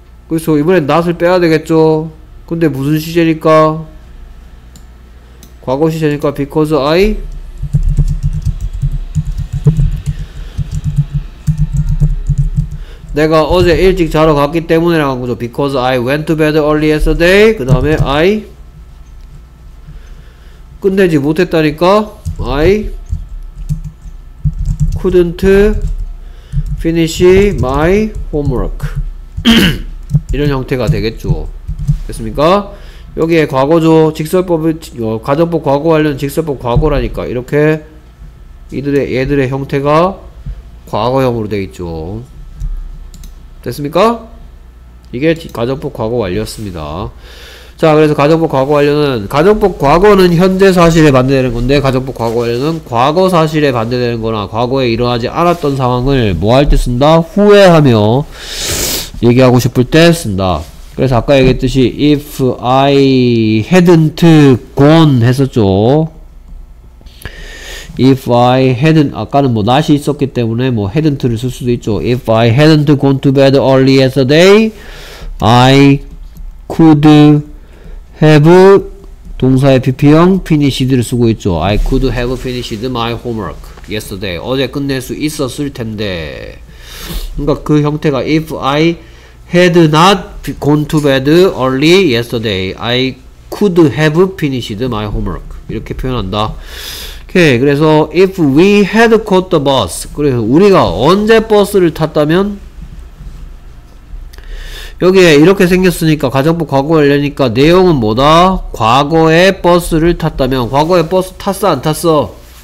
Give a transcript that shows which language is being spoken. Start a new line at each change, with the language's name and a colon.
Korean: 그래서 이번엔 not을 빼야 되겠죠? 근데 무슨 시제니까? 과거 시제니까
English: because I
Korean: 내가 어제 일찍 자러 갔기 때문에 라고 한 거죠.
English: Because I went to bed early yesterday.
Korean: 그 다음에 I 끝내지 못했다니까.
English: I couldn't finish my homework.
Korean: 이런 형태가 되겠죠. 됐습니까? 여기에 과거죠. 직설법, 가정법 과거 관련 직설법 과거라니까. 이렇게 얘들의 형태가 과거형으로 되겠죠. 됐습니까? 이게 가정법 과거 완료였습니다. 자, 그래서 가정법 과거 완료는 가정법 과거는 현재 사실에 반대되는 건데 가정법 과거 완료는 과거 사실에 반대되는 거나 과거에 일어나지 않았던 상황을 뭐 할 때 쓴다? 후회하며 얘기하고 싶을 때 쓴다. 그래서 아까 얘기했듯이
English: if I hadn't gone
Korean: 했었죠. If I hadn't, 아까는 뭐 not이 있었기 때문에 뭐 hadn't를 쓸 수도 있죠.
English: If I hadn't gone to bed early yesterday, I could have
Korean: 동사의 pp형
English: finished를
Korean: 쓰고 있죠.
English: I could have finished my homework yesterday.
Korean: 어제 끝낼 수 있었을 텐데. 그러니까 그 형태가
English: if I had not gone to bed early yesterday, I could have finished my homework.
Korean: 이렇게 표현한다. 오케이. 그래서
English: if we had caught the bus,
Korean: 그래서 우리가 언제 버스를 탔다면 여기에 이렇게 생겼으니까 가정법 과거 관련이니까 내용은 뭐다? 과거에 버스를 탔다면 과거에 버스 탔어 안 탔어?